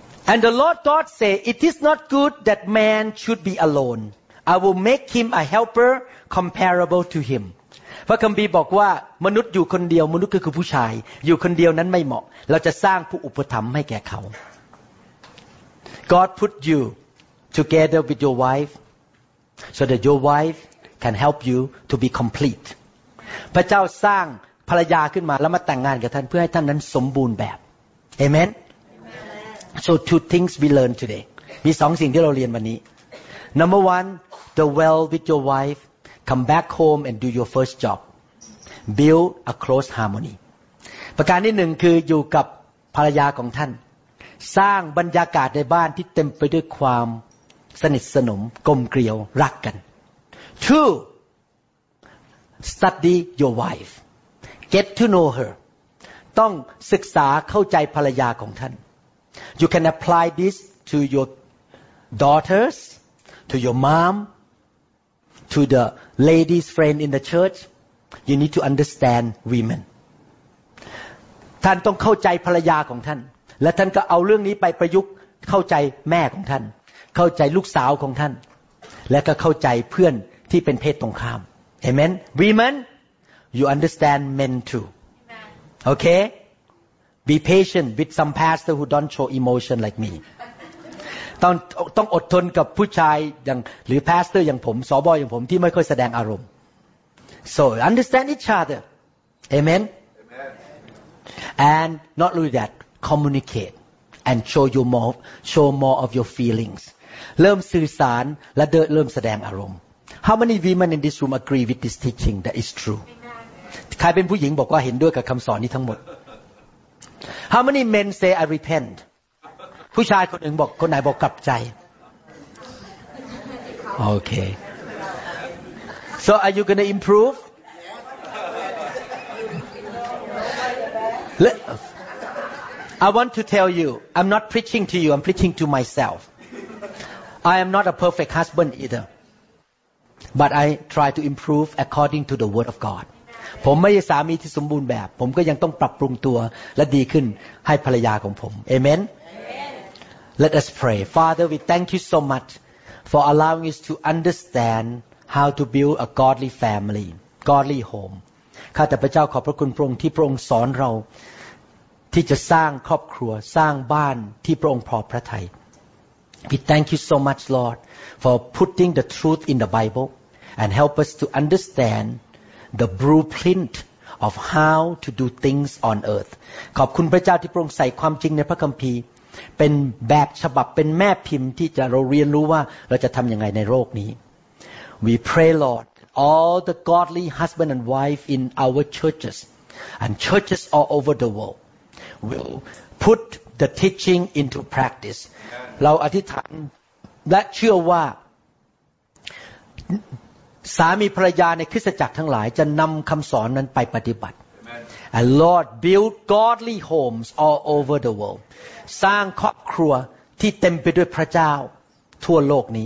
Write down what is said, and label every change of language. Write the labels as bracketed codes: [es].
[en] And the Lord God say It is not good that man should be alone I will make him a helper comparable to him [th] พระคัมภีร์บอกว่ามนุษย์อยู่คนเดียวมนุษย์คือผู้ชายอยู่คนเดียวนั้นไม่เหมาะเราจะสร้างผู้อุปถัมภ์ให้แก่เขา [en] God put you together with your wifeSo that your wife can help you to be complete. [th] พระเจ้าสร้างภรรยาขึ้นมาแล้วมาแต่งงานกับท่านเพื่อให้ท่านนั้นสมบูรณ์แบบ Amen. [en] So two things we learn today. [th] มีสองสิ่งที่เราเรียนวันนี้ [en] Number one, the well with your wife. Come back home and do your first job. Build a close harmony. [th] ประการที่หนึ่งคืออยู่กับภรรยาของท่านสร้างบรรยากาศในบ้านที่เต็มไปด้วยความสนิทสนมกลมเกลียวรักกัน 2 [en] study your wife. Get to know her. [th] ต้องศึกษาเข้าใจภรรยาของท่าน [en] You can apply this to your daughters, to your mom, to the lady's friend in the church. You need to understand women. [th] ท่านต้องเข้าใจภรรยาของท่านและท่านก็เอาเรื่องนี้ไปประยุกต์เข้าใจแม่ของท่านเข้าใจลูกสาวของท่านและก็เข้าใจเพื่อนที่เป็นเพศตรงข้าม Amen. [en] Women, you understand men too. Okay? Be patient with some pastor who don't show emotion like me. [th] ต้องอดทนกับผู้ชายอย่างหรือพาสเตอร์อย่างผมสบอย่างผมที่ไม่ค่อยแสดงอารมณ์ [en] So understand each other. Amen. And not only that, communicate and show more of your feelings. [th] เริ่มสื่อสารและเริ่มแสดงอารมณ์ [en] How many women in this room agree with this teaching that is true? [th] ใครเป็นผู้หญิงบอกว่าเห็นด้วยกับคำสอนนี้ทั้งหมด [en] How many men say I repent? [th] ผู้ชายคนหนึ่งบอกคนไหนบอกกลับใจ [en] Okay. So are you going to improve? I want to tell you, I'm not preaching to you, I'm preaching to myself. I am not a perfect husband either. But I try to improve according to the word of God. [th] ผมไม่ใช่สามีที่สมบูรณ์แบบผมก็ยังต้องปรับปรุงตัวและดีขึ้นให้ภรรยาของผม Amen. [en] Let us pray. Father, we thank you so much for allowing us to understand how to build a godly family, godly home. [th] ข้าแต่พระเจ้าขอบพระคุณพระองค์ที่พระองค์สอนเราที่จะสร้างครอบครัวสร้างบ้านที่พระองค์พอพระทัย [en] We thank you so much Lord for putting the truth in the Bible and help us to understand the blueprint of how to do things on earth [th] ขอบคุณพระเจ้าที่พระองค์ใส่ความจริงในพระคัมภีร์เป็นแบบฉบับเป็นแม่พิมพ์ที่จะเราเรียนรู้ว่าเราจะทำยังไงในโลกนี้ [en] We pray Lord all the godly husband and wife in our churches and churches all over the worldWill put the teaching into practice. [th] เราอธิษฐานและเชื่อว่าสามีภรรยาในคริสตจักรทั้งหลายจะนำคำสอนนั้นไปปฏิบัติ [en] And Lord build godly homes all over the world. [th] สร้างครอบครัวที่เต็มไปด้วยพระเจ้าทั่วโลกนี